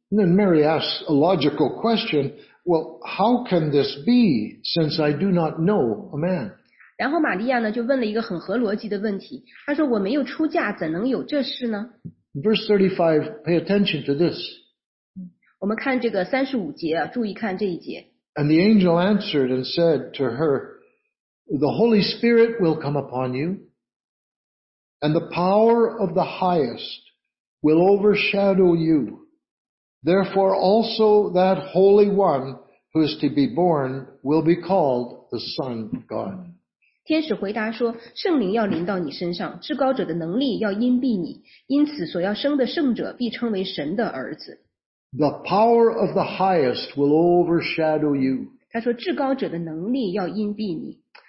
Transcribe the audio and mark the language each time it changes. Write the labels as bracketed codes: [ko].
[en] Then Mary asks a logical question, well, how can this be, since I do not know a man? [zh] 然后玛利亚呢，就问了一个很合逻辑的问题，她说，我没有出嫁，怎能有这事呢？ [en] Verse 35, pay attention to this. [zh] 我们看这个35节啊，注意看这一节。 [en] And the angel answered and said to her, The Holy Spirit will come upon you, and the power of the highest will overshadow you. Therefore also that Holy One who is to be born will be called the Son of God. [zh] 天使回答说，圣灵要临到你身上，至高者的能力要荫蔽你，因此所要生的圣者必称为神的儿子。 [en] The power of the highest will overshadow you. [zh] 他说至高者的能力要荫蔽你。